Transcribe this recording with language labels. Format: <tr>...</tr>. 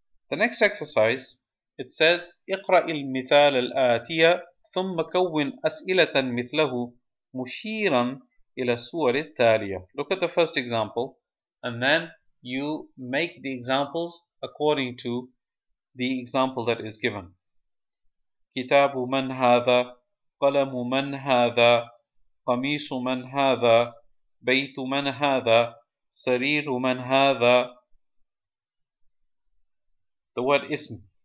<en>The next exercise, it says,</en> <ar>اقرأ المثال الآتي ثم كون أسئلة مثله مشيرا إلى الصور التالية.</ar> <en>Look at the first example, and then you make the examples according to the example that is given.</en> <ar>كتاب من هذا؟ قلم من هذا؟ قميص من هذا؟ بيت من هذا؟ سرير من هذا؟</ar> <en>The word ism.</en>